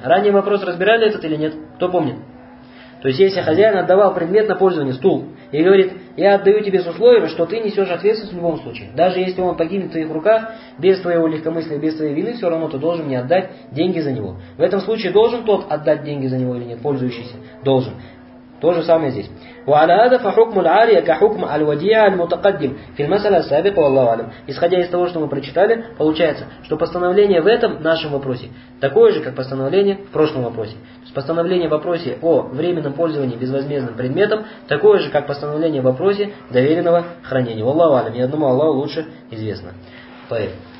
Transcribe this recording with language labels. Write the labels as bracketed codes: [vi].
[ru] Ранее вопрос разбирали этот или нет? Кто помнит? То есть, если хозяин отдавал предмет на пользование, стул, и говорит, я отдаю тебе с условием, что ты несешь ответственность в любом случае. Даже если он погибнет в твоих руках, без твоего легкомыслия, без твоей вины, все равно ты должен мне отдать деньги за него. В этом случае должен тот отдать деньги за него или нет, пользующийся? Должен. То же самое здесь. [ar] وعلى هذا فحكم العارية كحكم الوديعة المتقدم في المسألة السابقة والله أعلم. [ru] Исходя из того, что мы прочитали, получается, что постановление в этом нашем вопросе такое же, как постановление в прошлом вопросе. То есть постановление в вопросе о временном пользовании безвозмездным предметом такое же, как постановление в вопросе доверенного хранения. والله أعلم. Я думаю, Аллаху лучше известно. Поехали.